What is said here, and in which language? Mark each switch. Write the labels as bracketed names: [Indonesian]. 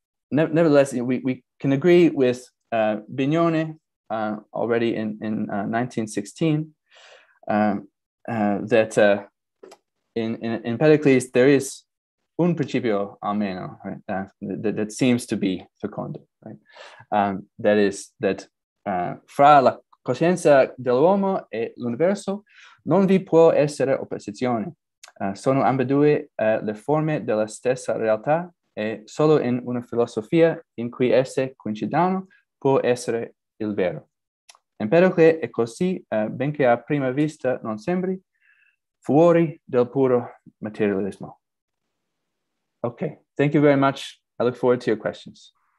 [English] Nevertheless, we can agree with Bignone already in 1916 that in Empedocles there is [Italian] un principio almeno, [English] right? That seems to be fecundo, right? That is, that [Italian] fra la coscienza dell'uomo e l'universo non vi può essere opposizione. Sono ambedue le forme della stessa realtà, e solo in una filosofia in cui esse coincidano può essere il vero. Empedocle è così, benché a prima vista non sembri, fuori del puro materialismo. [English] Okay, thank you very much. I look forward to your questions.